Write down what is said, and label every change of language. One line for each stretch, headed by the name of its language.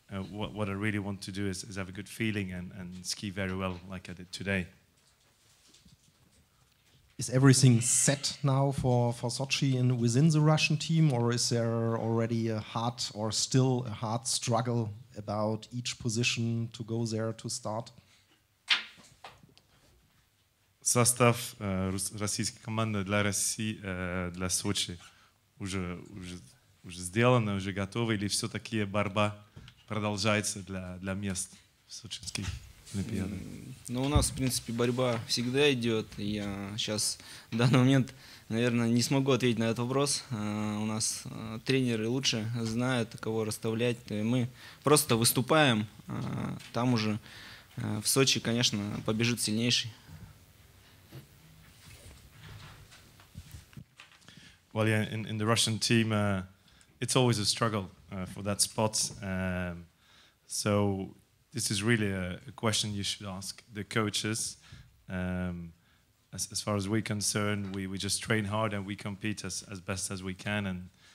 English: What I really want to do is have a good feeling and ski very well, like I did today. Is everything set now for Sochi and within the Russian team, or is there already a hard or still a hard struggle about each position to go there to start?
Russian: Состав российской команды для России для Сочи уже сделано, уже готово, или все-таки борьба продолжается для мест в Сочинской Олимпиаде? Ну, у нас, в принципе, борьба всегда идет. Я сейчас в данный момент, наверное, не смогу ответить на этот вопрос. У нас тренеры лучше знают, кого расставлять. Мы просто выступаем, там уже в Сочи, конечно, побежит сильнейший.
English: Well, yeah, in the Russian team, it's always a struggle for that spot. So this is really a question you should ask the coaches. As far as we're concerned, we just train hard and we compete as best as we can.